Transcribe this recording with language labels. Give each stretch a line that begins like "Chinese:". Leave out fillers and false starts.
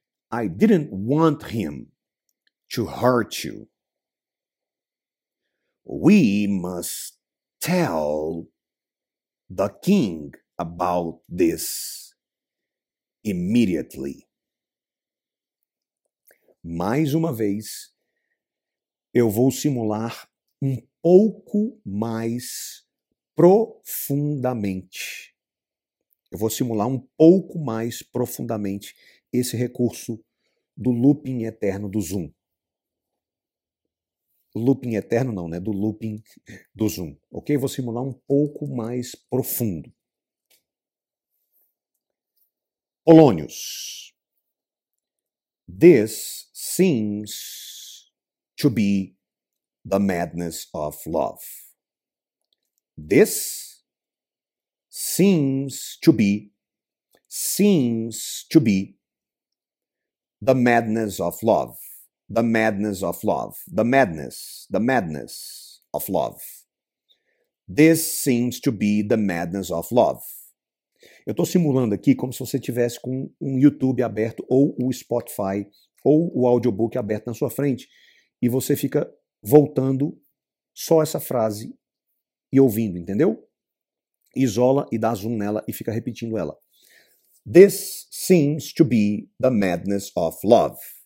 English: I didn't want him to hurt you. We must tell the king about this immediately.
Portuguese: Mais uma vez, eu vou simular um pouco mais profundamente. Eu vou simular um pouco mais profundamente esse recurso do looping eterno do Zoom. Looping eterno não, né? Do looping do Zoom. Ok? Vou simular um pouco mais profundo.
English: Polonius. This seems to be the madness of love. This seems to be the madness of love. The madness of love. The madness of love. This seems to be the madness of love.
Portuguese: Eu estou simulando aqui como se você estivesse com um YouTube aberto ou o Spotify ou o audiobook aberto na sua frente e você fica voltando só essa frase e ouvindo, entendeu? Isola e dá zoom nela e fica repetindo ela.
English: This seems to be the madness of love.